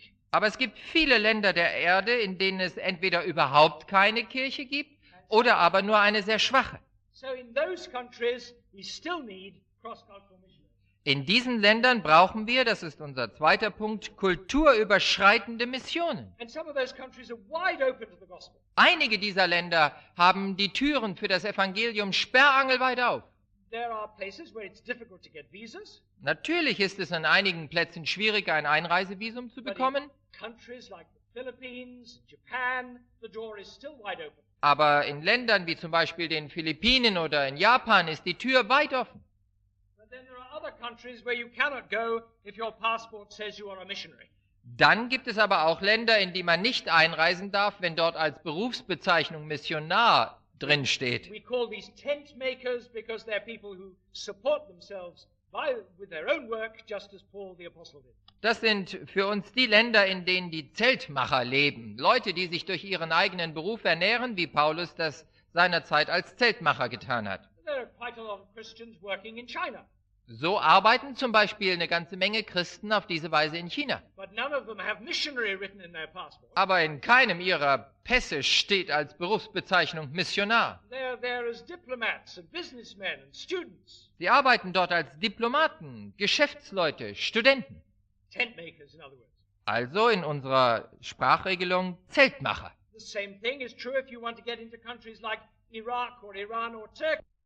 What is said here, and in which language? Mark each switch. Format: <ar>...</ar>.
<de>Aber es gibt viele Länder der Erde, in denen es entweder überhaupt keine Kirche gibt oder aber nur eine sehr schwache.</de> <en>So in those countries we still need cross-cultural missions.</en> <de>In diesen Ländern brauchen wir, das ist unser zweiter Punkt, kulturüberschreitende Missionen.</de> <en>And some of those countries are wide open to the gospel.</en> <de>Einige dieser Länder haben die Türen für das Evangelium sperrangelweit auf.</de> <en>There are places where it's difficult to get visas.</en> <de>Natürlich ist es an einigen Plätzen schwieriger, ein Einreisevisum zu bekommen.</de> <en>But in countries like the Philippines, Japan, the door is still wide open.</en> <de>Aber in Ländern wie zum Beispiel den Philippinen oder in Japan ist die Tür weit offen.</de> <en>Countries where you cannot go if your passport says you are a missionary.</en> <de>Dann gibt es aber auch Länder, in die man nicht einreisen darf, wenn dort als Berufsbezeichnung Missionar drin steht.</de> <en>We call these tent makers because they're people who support themselves with their own work, just as Paul the Apostle did.</en> <de>Das sind für uns die Länder, in denen die Zeltmacher leben, Leute, die sich durch ihren eigenen Beruf ernähren, wie Paulus das seinerzeit als Zeltmacher getan hat.</de> <en>There are quite a lot of Christians working in China.</en> <de>So arbeiten zum Beispiel eine ganze Menge Christen auf diese Weise in China.</de> <en>But none of them have missionary written in their passport.</en> <de>Aber in keinem ihrer Pässe steht als Berufsbezeichnung Missionar.</de> <en>They're there as diplomats and businessmen and students.</en> <de>Sie arbeiten dort als Diplomaten, Geschäftsleute, Studenten.</de> <en>Tent makers, in other words.</en> <de>Also in unserer Sprachregelung Zeltmacher.</de> <en>The same thing is true if you want to get into countries like Iraq or Iran or Turkey.</en>